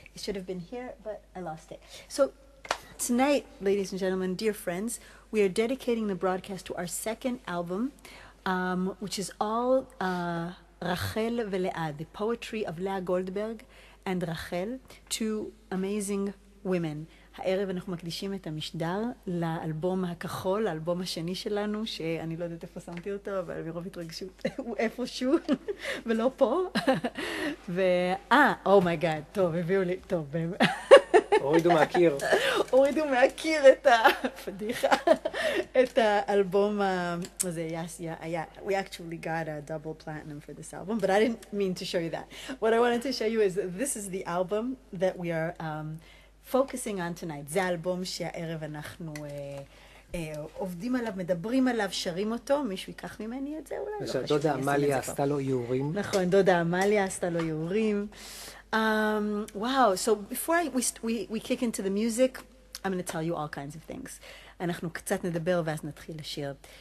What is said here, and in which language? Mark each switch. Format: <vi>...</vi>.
<en>It should have been here, but I lost it. So tonight, ladies and gentlemen, dear friends, we are dedicating the broadcast to our second album, which is all Rachel Ve'Lead, the poetry of Leah Goldberg, and Rachel, two amazing women.</en> <he>הערב אנחנו מקדישים את המשדר לאלבום הכחול, האלבום השני שלנו, שאני לא יודעת איפה שמתי אותו, אבל מרוב התרגשות הוא איפשהו, ולא פה. מיי גאד, טוב, הביאו לי, טוב. הורידו מהקיר. הורידו מהקיר את הפדיחה, את האלבום הזה,</he> <en>yes, yeah, yeah. We actually got a double platinum for this album, but I didn't mean to show you that. What I wanted to show you is that this is the album that we are focusing on tonight.</en> <he>זה האלבום שהערב אנחנו עובדים עליו, מדברים עליו, שרים אותו, מישהו ייקח ממני את זה אולי? דודה עמליה עשתה לו יעורים. נכון, דודה עמליה עשתה לו יעורים.</he> <en>Wow, so before we kick into the music, I'm going to tell you all kinds of things.</en> <he>אנחנו קצת נדבר ואז נתחיל לשיר.</he>